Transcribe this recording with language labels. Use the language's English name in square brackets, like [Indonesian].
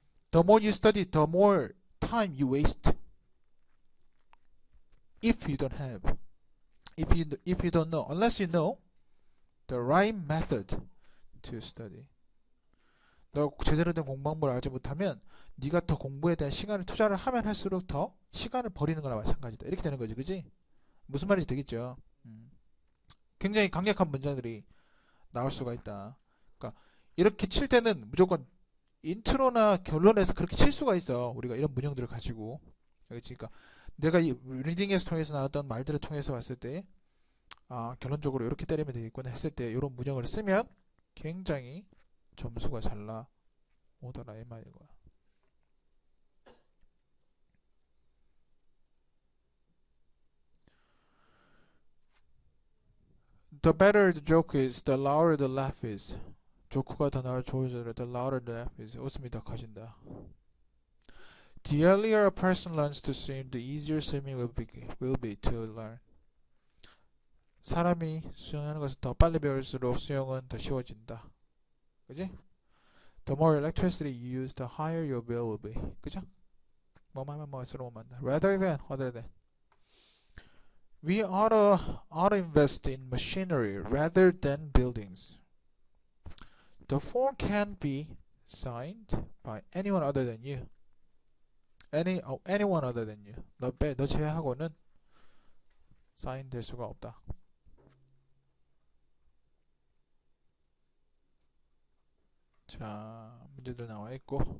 [English] The more you study, the more time you waste. If you don't know, unless you know the right method to study. [Korean] 너 제대로 된 공부 방법을 알지 못하면 네가 더 공부에 대한 시간을 투자를 하면 할수록 더 시간을 버리는 거나 마찬가지다. 이렇게 되는 거지, 그지? 무슨 말인지 되겠죠? 굉장히 강력한 문장들이 나올 수가 있다. 그러니까 이렇게 칠 때는 무조건 인트로나 결론에서 그렇게 칠 수가 있어. 우리가 이런 문형들을 가지고. 알겠지? 그러니까 내가 이 리딩에서 통해서 나왔던 말들을 통해서 봤을 때, 결론적으로 이렇게 때리면 되겠구나 했을 때 이런 문형을 쓰면 굉장히 점수가 잘 나오더라 이 말인 거야. [English] The better the joke is, the louder the laugh is. [Korean] 조크가 더 나을 조회수를 [English] the louder the laugh is. [Korean] 웃음이 더 커진다. [English] The earlier a person learns to swim, the easier swimming will be to learn. [Korean] 사람이 수영하는 것을 더 빨리 배울수록 수영은 더 쉬워진다. 그지? [English] The more electricity you use, the higher your bill will be. [Korean] 그죠? 뭐하면 뭐할수록 만다. [English] Rather than, other than. We ought to invest in machinery rather than buildings. The form can't be signed by anyone other than you. Anyone other than you. [Korean] 너 제외하고는 사인 될 수가 없다. 자, 문제들 나와 있고.